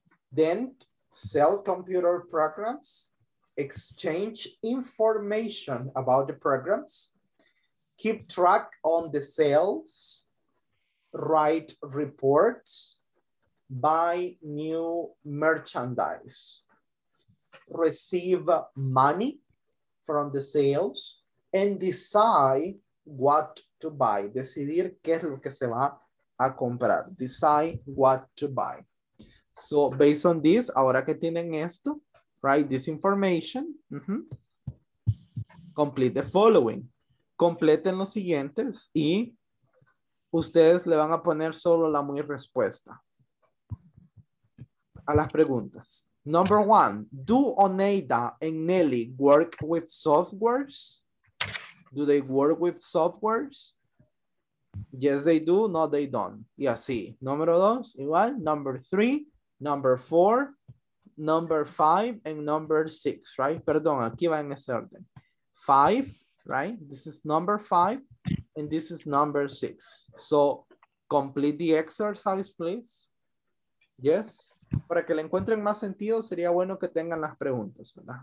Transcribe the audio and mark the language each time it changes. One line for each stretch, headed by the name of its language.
English: Then sell computer programs, exchange information about the programs, keep track on the sales, write reports, buy new merchandise, receive money from the sales, and decide what to buy.
Spanish: Decidir qué es lo que se va a comprar.
English: Decide what to buy. So based on this,
Spanish: ahora que tienen esto,
English: write this information, complete the following.
Spanish: Completen los siguientes y ustedes le van a poner solo la muy respuesta a las preguntas.
English: Number one, do Oneida and Nelly work with softwares? Do they work with softwares? Yes, they do. No, they don't.
Spanish: Y así. Número dos, igual.
English: Number three, number four, number five, and number six, right?
Spanish: Perdón, aquí va en ese orden.
English: Five, right? This is number five and this is number six. So complete the exercise, please. Yes.
Spanish: Para que le encuentren más sentido, sería bueno que tengan las preguntas, ¿verdad?